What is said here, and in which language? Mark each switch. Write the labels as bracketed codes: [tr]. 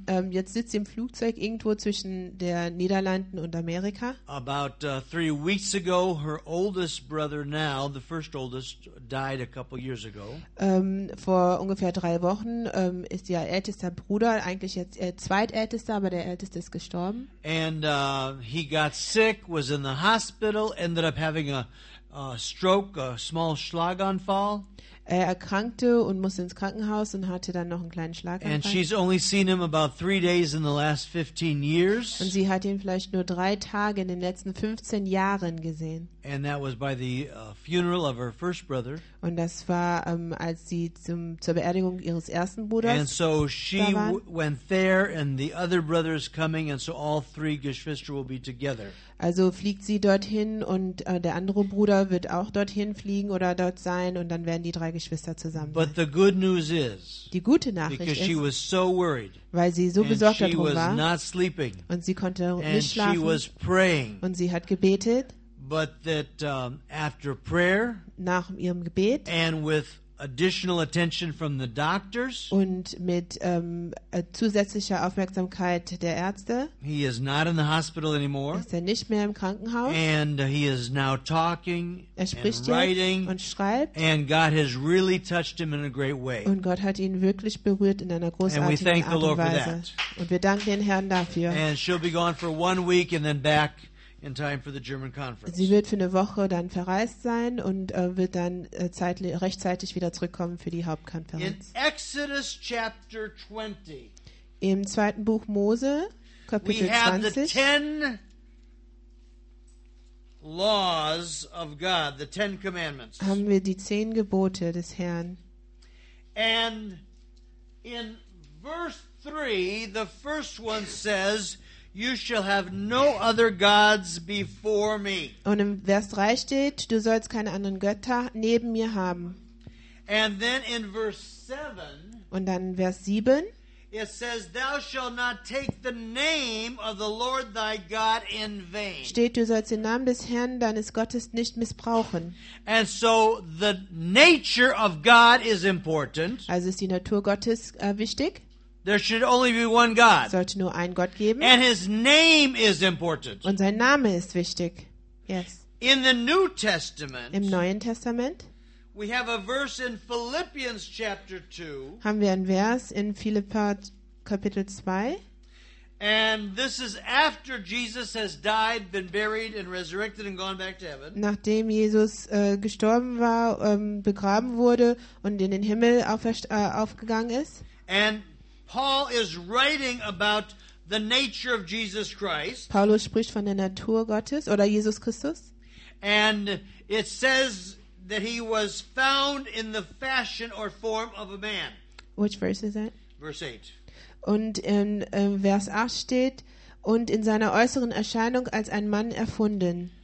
[de] Jetzt sitzt sie im Flugzeug irgendwo zwischen der Niederlanden und Amerika. [en] About 3 weeks ago, her oldest brother, now the first oldest, died a couple years ago. [de] Vor ungefähr 3 Wochen ist ihr ältester Bruder, eigentlich jetzt zweitältester, aber der älteste ist gestorben. [en] And he got sick, was in the hospital, ended up having a stroke, a small Schlaganfall. [de] Er erkrankte und musste ins Krankenhaus und hatte dann noch einen kleinen Schlaganfall. [en] And she's only seen him about 3 days in the last 15 years. [de] Und sie hat ihn vielleicht nur 3 Tage in den letzten 15 Jahren gesehen. [en] And that was by the funeral of her first brother. [de] Und das war, als sie zur Beerdigung ihres ersten Bruders [en] And so she went there and the other brother is coming and so all three Geschwister will be together. [de] Also fliegt sie dorthin und der andere Bruder wird auch dorthin fliegen oder dort sein und dann werden die drei Geschwister zusammen [en] But the good news is, [de] die gute Nachricht [en] because [de] ist, [en] she was so worried, [de] weil sie so besorgt [en] and she [de] darum [en] was [de] war [en] not sleeping, [de] und sie konnte [en] and [de] nicht schlafen [en] she was praying, [de] und sie hat gebetet [en] But that, after prayer, [de] nach ihrem Gebet [en] and with additional attention from the doctors, [de] und mit zusätzlicher Aufmerksamkeit der Ärzte [en] he is not in the hospital anymore, [de] ist er nicht mehr im Krankenhaus [en] and he is now talking [de] er spricht [en] and writing [de] und schreibt [en] and God has really touched him in a great way [de] und Gott hat ihn wirklich berührt in einer großartigen [en] and we thank [de] Art [en] the Lord [de] und Weise [en] for that. [de] Und wir danken den Herrn dafür [en] and she'll be gone for 1 week and then back in time for the German conference. [de] Sie wird für eine Woche dann verreist sein und wird dann rechtzeitig wieder zurückkommen für die Hauptkonferenz. [en] In Exodus chapter 20. [de] Im zweiten Buch Mose Kapitel 20. [en] We have the 10 laws of God, the 10 commandments. [de] Haben wir die 10 Gebote des Herrn. [en] And in verse 3, the first one says You shall have no other gods before me. [de] Und im Vers 3 steht, du sollst keine anderen Götter neben mir haben. [en] And then in verse 7, [de] und dann in Vers 7, [en] it says, thou shalt not take the name of the Lord thy God in vain. [de] Steht, du sollst den Namen des Herrn deines Gottes nicht missbrauchen. [en] And so the nature of God is important. [de] Also ist die Natur Gottes wichtig. [en] There should only be one God. [de] Sollte nur einen Gott geben. [en] And his name is important. [de] Und sein Name ist wichtig. [en] Yes. In the New Testament. [de] Im Neuen Testament. [en] We have a verse in Philippians chapter 2. [de] Haben wir einen Vers in Philipper Kapitel 2. [en] And this is after Jesus has died, been buried and resurrected and gone back to heaven. [de] Nachdem Jesus gestorben war, begraben wurde und in den Himmel aufgegangen ist. [en] And Paul is writing about the nature of Jesus Christ. [de] Paulus spricht von der Natur Gottes oder Jesus Christus. [en] And it says that he was found in the fashion or form of a man. Which verse is that? Verse 8. [de] Und in Vers 8 steht, und in seiner äußeren Erscheinung als ein Mann erfunden.